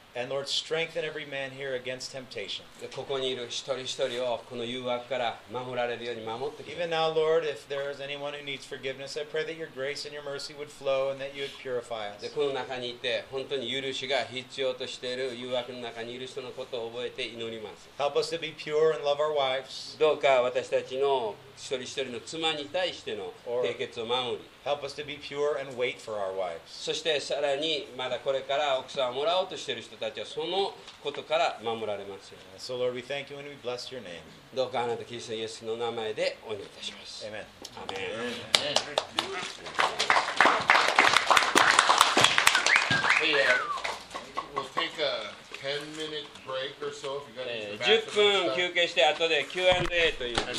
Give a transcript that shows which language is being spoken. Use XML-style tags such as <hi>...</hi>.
<en>And Lord, strengthen every man here against temptation.</en> <ja>ここにいる一人一人をこの誘惑から守られるように守ってください。</ja> <en>Even now, Lord, if there is anyone who needs forgiveness, I pray that your grace and your mercy would flow and that you would purify us.</en> <ja>でこの中にいて本当に許しが必要としている誘惑の中にいる人のことを覚えて祈ります。</ja> <en>Help us to be pure and love our wives.</en> <ja>どうか私たちの一人一人の妻に対しての定決を守り。</ja> <en>Help us to be pure and wait for our wives.</en> <ja>そしてさらにまだこれから奥さんをもらおうとしている人たちはそのことから守られますよ。</ja> <en>So Lord, we thank you and we bless your name.</en> <ja>どうかあなたキリストイエスの名前でお祈りいたします。</ja> <en>Amen. Amen. Hey, we'll take a 10 minute break or so if you got any. 10</en> <ja>分休憩して後で Q&A という。</ja>